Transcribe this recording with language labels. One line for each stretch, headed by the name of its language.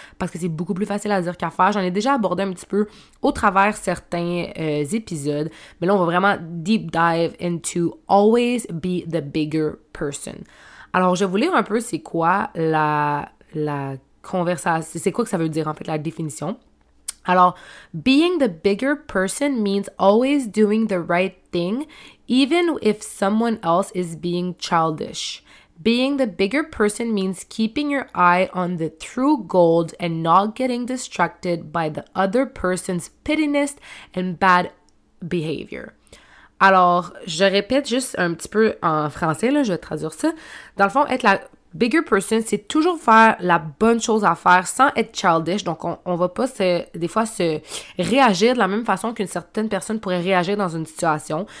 French: Parce que c'est beaucoup plus facile à dire qu'à faire. J'en ai déjà abordé un petit peu au travers certains épisodes. Mais là, on va vraiment
English: deep dive into always be the bigger person.
French: Alors, je vais vous lire un peu c'est quoi la conversation. C'est quoi que ça veut dire en fait, la définition.
English: Alors, being the bigger person means always doing the right thing, even if someone else is being childish. Being the bigger person means keeping your eye on the true gold and not getting distracted by the other person's pettiness and bad behavior.
French: Alors, je répète juste un petit peu en français, là, je vais traduire ça. Dans le fond, être la
English: bigger person,
French: c'est toujours faire la bonne chose à faire sans être childish. Donc, on va pas se réagir de la même façon qu'une certaine personne pourrait réagir dans une situation.